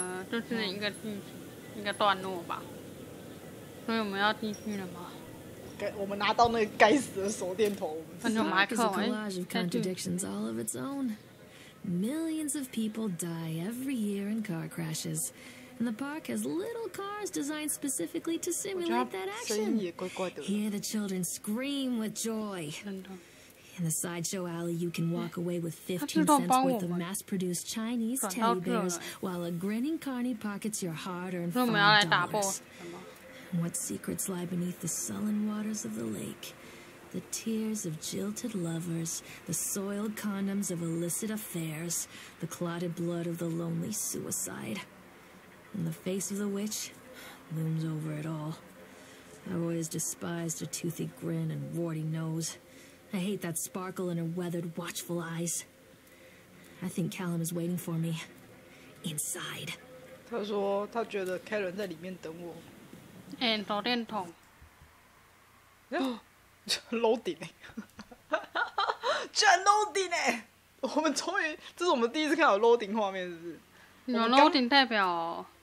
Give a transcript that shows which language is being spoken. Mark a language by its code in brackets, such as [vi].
[zh] 就是一个剧情、嗯，一个段落吧。所以我们要继续了吗？我们拿到那个该死的手电筒，那就麦克风。 [en] Collage of contradictions all of its own. Millions of people die every year in car crashes. And the park has little cars designed specifically to simulate that action. Hear the children scream with joy. In the sideshow alley, you can walk away with 15 cents worth of mass-produced Chinese teddy bears, while a grinning carny pockets your hard-earned $5. What secrets lie beneath the sullen waters of the lake? The tears of jilted lovers, the soiled condoms of illicit affairs, the clotted blood of the lonely suicide. And the face of the witch looms over it all. I've always despised her toothy grin and warty nose. I hate that sparkle in her weathered, watchful eyes. I think Callum is waiting for me. inside. [zh] 他说他觉得凯伦在里面等我。哎、欸，手电筒。哟、哦，楼顶哎！居然楼顶哎！我们终于，这是我们第一次看到楼顶画面，是不是？有楼顶代表，